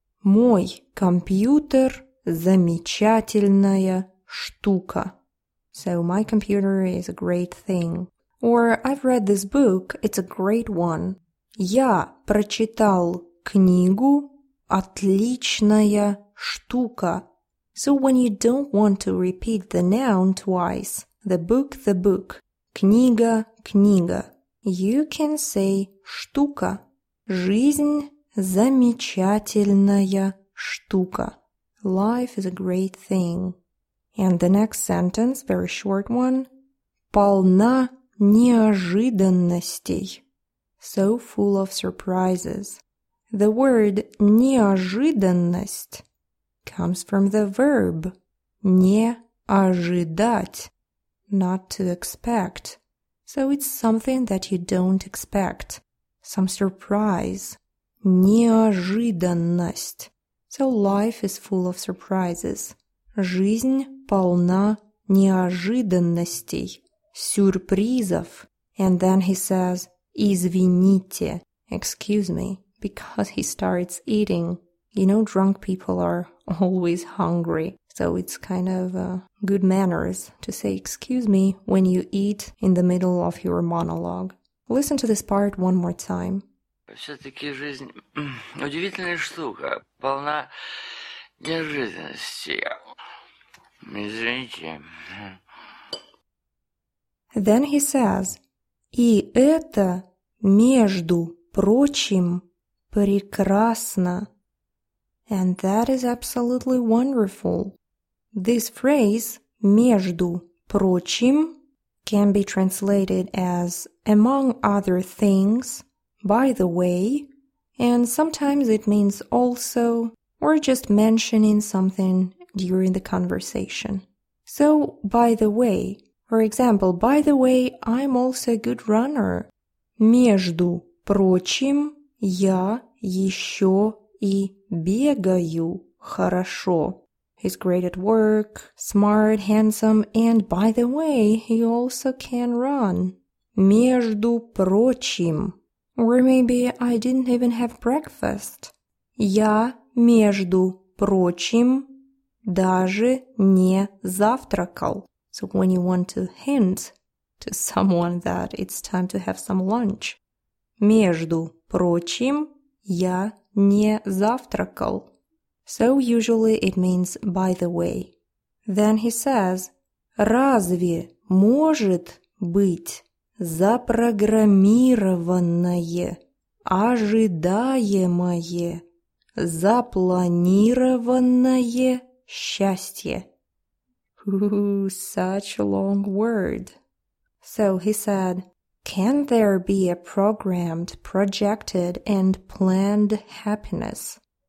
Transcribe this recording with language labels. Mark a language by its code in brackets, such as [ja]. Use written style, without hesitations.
[ru] Мой компьютер – замечательная штука. [en] So my computer is a great thing. Or I've read this book, it's a great one. [ru] Я прочитал книгу – отличная штука. [en] So when you don't want to repeat the noun twice, the book, [ru] книга – книга, [en] you can say штука. [ru] Жизнь – замечательная штука. [en] Life is a great thing. And the next sentence, very short one. [ru] Полна неожиданностей. [en] So full of surprises. The word неожиданность comes from the verb не ожидать, not to expect. So it's something that you don't expect. Some surprise. Неожиданность. So life is full of surprises. [ru] Жизнь полна неожиданностей, сюрпризов. [en] And then he says, извините, excuse me, because he starts eating. You know, drunk people are always hungry. So it's kind of good manners to say excuse me when you eat in the middle of your monologue. Listen to this part one more time. [ru] Все-таки жизнь – удивительная штука, полна неожиданностей. Извините. [en] Then he says, [ru] и это, между прочим, прекрасно. [en] And that is absolutely wonderful. This phrase, между прочим, can be translated as among other things, by the way, and sometimes it means also, or just mentioning something during the conversation. So, by the way, for example, by the way, I'm also a good runner. [ru] Между прочим, я еще и бегаю хорошо. [en] He's great at work, smart, handsome, and by the way, he also can run. [ru] Между прочим. [en] Or maybe I didn't even have breakfast. [ru] Я, между прочим, даже не завтракал. [en] So when you want to hint to someone that it's time to have some lunch. [ru] Между прочим, я не завтракал. [en] So usually it means by the way. Then he says, [ru] разве может быть запрограммированное, ожидаемое, запланированное счастье? [en] Ooh, such a long word. So he said, can there be a programmed, projected, and planned happiness?